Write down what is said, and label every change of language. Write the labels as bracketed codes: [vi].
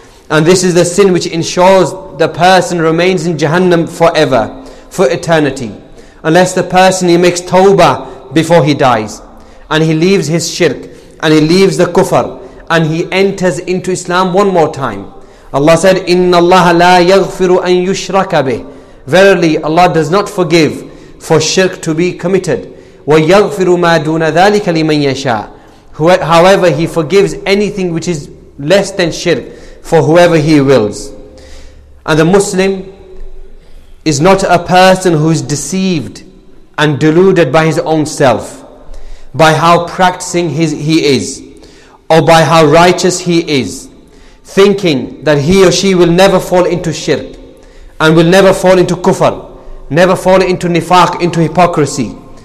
[en] And this is the sin which ensures the person remains in Jahannam forever, for eternity. Unless the person, he makes tawbah before he dies, and he leaves his shirk, and he leaves the kufr, and he enters into Islam one more time. Allah said, [ar] إِنَّ اللَّهَ لَا يَغْفِرُ أَن يُشْرَكَ بِهِ. [en] Verily, Allah does not forgive for shirk to be committed. [ar] وَيَغْفِرُ مَا دُونَ ذَلِكَ لِمَنْ يَشَاءُ. [en] However, He forgives anything which is less than shirk for whoever He wills. And the Muslim is not a person who is deceived and deluded by his own self, by how practicing he is, or by how righteous he is, thinking that he or she will never fall into shirk, and will never fall into kufr, never fall into nifaq, into hypocrisy.